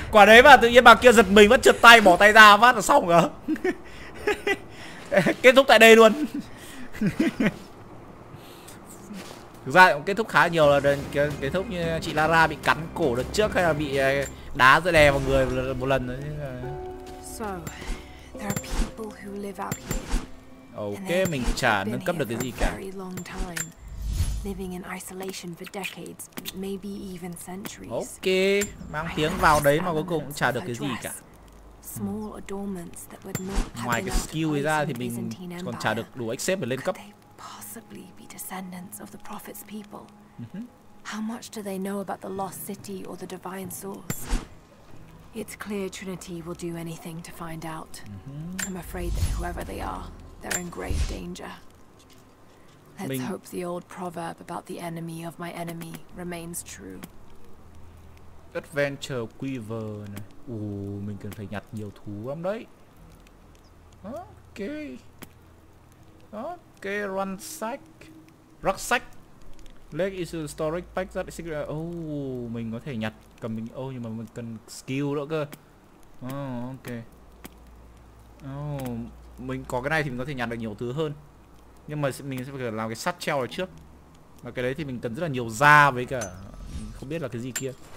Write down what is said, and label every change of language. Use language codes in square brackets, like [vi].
[vi] Quả đấy mà tự nhiên bà kia giật mình vẫn trượt tay bỏ tay ra phát là xong rồi. Kết thúc tại đây luôn. Thực ra cũng kết thúc khá nhiều là kết thúc như chị Lara bị cắn cổ đợt trước hay là bị đá rồi đè vào người một lần nữa. [en] So, there are people who live out here. [vi] Ok, mình chả nâng cấp được cái gì cả. [en] Living in isolation for decades, maybe even centuries. [vi] Ok, mang tiếng vào đấy mà cuối cùng cũng chả được cái gì cả. [en] Small adornments that would not have. [vi] Ngoài cái skill ra thì mình còn chả được đủ XP để lên cấp. [en] Possibly be descendants of the prophet's people. How much do they know about the lost city or the divine source? It's clear Trinity will do anything to find out. I'm afraid that whoever they are, they're in grave danger. Let's hope the old proverb about the enemy of my enemy remains true. Adventure Quiver này. [vi] Mình cần phải nhặt nhiều thú lắm đấy. [en] Ok. Ok, run sack. Rock sack. Lake is a historic pack that is secret. [vi] Mình có thể nhặt cầm mình. Nhưng mà mình cần skill nữa cơ. Ok. Mình có cái này thì mình có thể nhặt được nhiều thứ hơn. Nhưng mà mình sẽ phải làm cái sắt treo ở trước. Và cái đấy thì mình cần rất là nhiều da với cả không biết là cái gì kia.